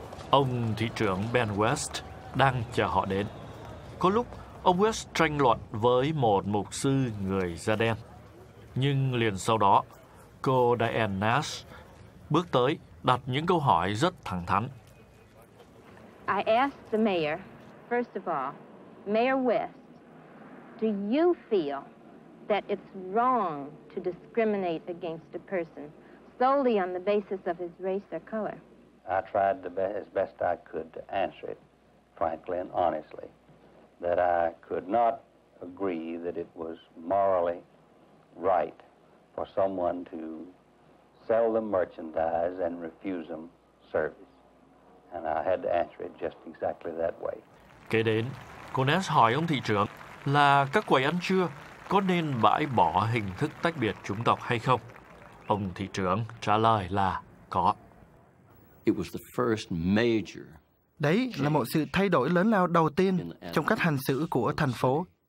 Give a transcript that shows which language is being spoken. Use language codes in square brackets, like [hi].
[vi] Ông thị trưởng Ben West đang chờ họ đến. Có lúc, ông West tranh luận với một mục sư người da đen. Nhưng liền sau đó, cô Diane Nash bước tới đặt những câu hỏi rất thẳng thắn. [en] I asked the mayor, first of all, Mayor West, do you feel that it's wrong to discriminate against a person solely on the basis of his race or color? I tried as best I could to answer it, frankly and honestly, that I could not agree that it was morally right for someone to sell them merchandise and refuse them service. And I had to answer it just exactly that way. [vi] Kế đến, cô Ness hỏi ông thị trưởng là các quầy ăn trưa có nên bãi bỏ hình thức tách biệt chủng tộc hay không? Ông thị trưởng trả lời là có. [en] It was the first major. [vi] Đấy là một sự thay đổi lớn lao đầu tiên trong cách hành xử của thành phố.